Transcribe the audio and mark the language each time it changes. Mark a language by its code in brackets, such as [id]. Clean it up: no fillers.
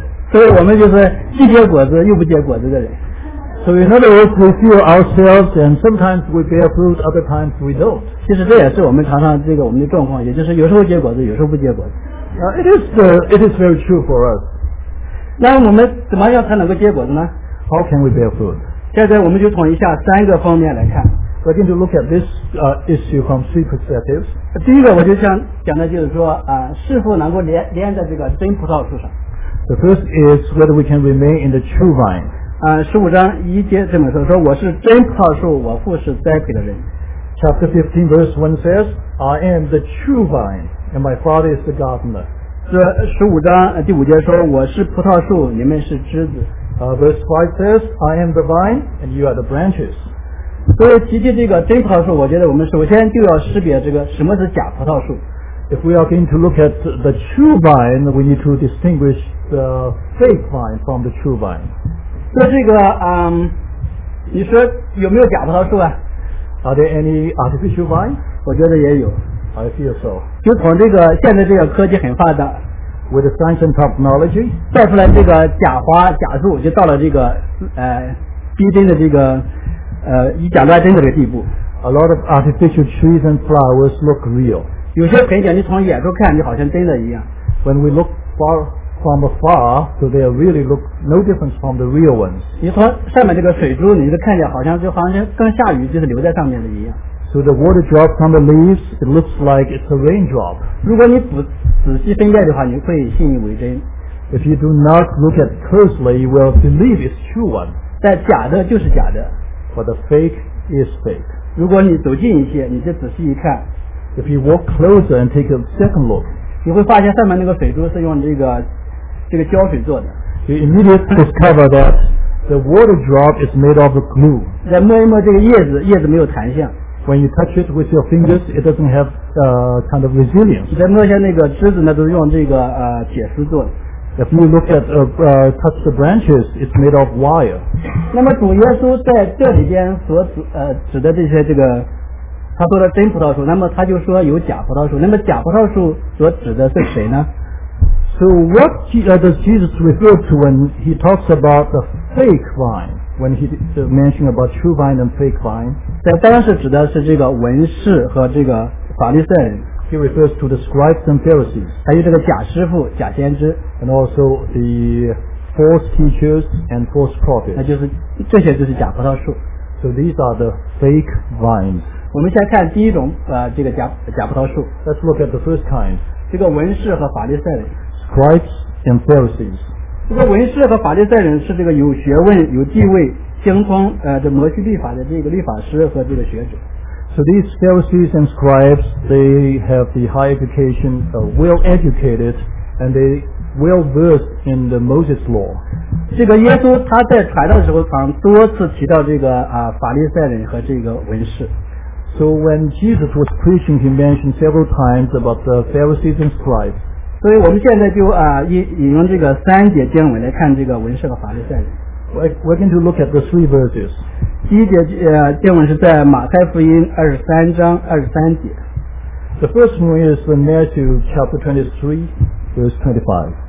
[zh] 所以我们就是既结果子又不结果子的人。 [en] So in other words, we feel ourselves, and sometimes we bear fruit, other times we don't. [zh] 其实这也是我们常常这个我们的状况，也就是有时候结果子，有时候不结果子。 [en] It is very true for us. [zh] 那我们怎么样才能够结果子呢？ [en] How can we bear fruit? [zh] 现在我们就统一下三个方面来看。 [en] We're going to look at this issue from three perspectives. [zh] 第一个我就想讲的就是说，是否能够连在这个真葡萄树上。 [en] The first is whether we can remain in the true vine. [zh] 十五章一节这么说，说我是真葡萄树，我父是栽培的人。 [en] Chapter 15 verse 1 says, I am the true vine, and my father is the gardener. [zh] 这十五章第五节说，我是葡萄树，你们是枝子。 [en] Verse 5 says, I am the vine, and you are the branches. [zh] 所以提及这个真葡萄树，我觉得我们首先就要识别这个什么是假葡萄树。 [en] If we are going to look at the true vine, we need to distinguish the fake vine from the true vine. [zh] 那这个你说有没有假葡萄树啊？ [en] Are there any artificial vine? [zh] 我觉得也有。 [en] I feel so. [zh] 就从这个现在这个科技很发达， [en] With the science and technology, [zh] 造出来这个假花假树就到了这个逼真的这个以假乱真的这个地步。 [en] A lot of artificial trees and flowers look real. [zh] 有些盆景你从远处看就好像真的一样。 [en] When we look farFrom afar, so they really look no different from the real ones. [zh] 你从上面这个水珠，你就看见好像就好像跟下雨就是留在上面的一样。 [en] So the water drop from the leaves, it looks like it's a raindrop. [zh] 如果你不仔细分辨的话，你会信以为真。 [en] If you do not look at closely, you will believe it's true one. [zh] 但假的就是假的。 [en] But the fake is fake. [zh] 如果你走近一些，你就仔细一看。 [en] If you walk closer and take a second look. [zh] 你会发现上面那个水珠是用这个胶水做的。 [en] You immediately discover that the water drop is made of glue. [zh] 再摸一摸这个叶子，叶子没有弹性。 [en] When you touch it with your fingers, it doesn't have kind of resilience. [zh] 再摸一下那个枝子呢，都是用这个铁丝做的。 [en] If you look at touch the branches, it's made of wire. [zh] 那么主耶稣在这里边所指的这些这个。他说的真葡萄树，那么他就说有假葡萄树，那么假葡萄树所指的是谁呢？ [en] So what does Jesus refer to when he talks about the fake vine? When he mentioned about true vine and fake vine? [zh] 在当时指的是这个文士和这个法利赛人。 [en] He refers to the scribes and Pharisees. [zh] 还有这个假师傅假先知。 [en] And also the false teachers and false prophets. [zh] 那就是这些就是假葡萄树。 [en] So these are the fake vines. [zh] 我们先看第一种这个假葡萄树。 [en] Let's look at the first kind. [zh] 这个文士和法利赛人。 [en] Scribes and Pharisees. [zh] 这个文士和法利赛人是这个有学问、有地位、精通这摩西律法的这个律法师和这个学者。 [en] So these Pharisees and scribes, they have the high education, well educated, and they well versed in the Moses law. [zh] 这个耶稣他在传道的时候，常多次提到这个法利赛人和这个文士。 [en] So when Jesus was preaching, he mentioned several times about the Pharisees and scribes. [zh] 所以我们现在就引用这个三节经文来看这个文士和法利赛人。 [en] We're going to look at the three verses. [zh] 第一节经文是在马太福音23章23节。 [en] The first one is in Matthew chapter 23, verse 25.